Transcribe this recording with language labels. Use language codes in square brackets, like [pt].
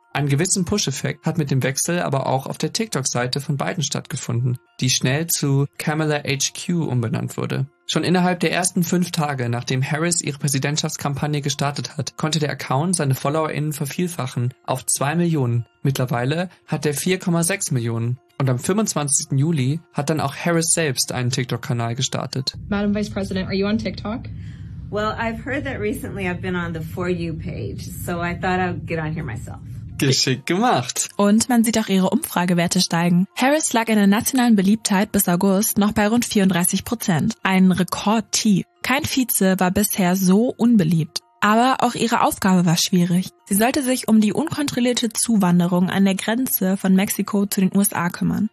[de] Einen gewissen Push-Effekt hat mit dem Wechsel aber auch auf der TikTok-Seite von Biden stattgefunden, die schnell zu Kamala HQ umbenannt wurde. Schon innerhalb der ersten 5 Tage, nachdem Harris ihre Präsidentschaftskampagne gestartet hat, konnte der Account seine FollowerInnen vervielfachen auf 2 Millionen. Mittlerweile hat er 4,6 Millionen. Und am 25. Juli hat dann auch Harris selbst einen TikTok-Kanal gestartet. [en] Madam Vice President, are you on TikTok? Well, I've heard that recently I've been on the For You page, so I thought I'd get on here myself. [de] Geschickt gemacht. Und man sieht auch ihre Umfragewerte steigen. Harris lag in der nationalen Beliebtheit bis August noch bei rund 34%. Ein Rekordtief. Kein Vize war bisher so unbeliebt. Aber auch ihre Aufgabe war schwierig. Sie sollte sich um die unkontrollierte Zuwanderung an der Grenze von Mexiko zu den USA kümmern.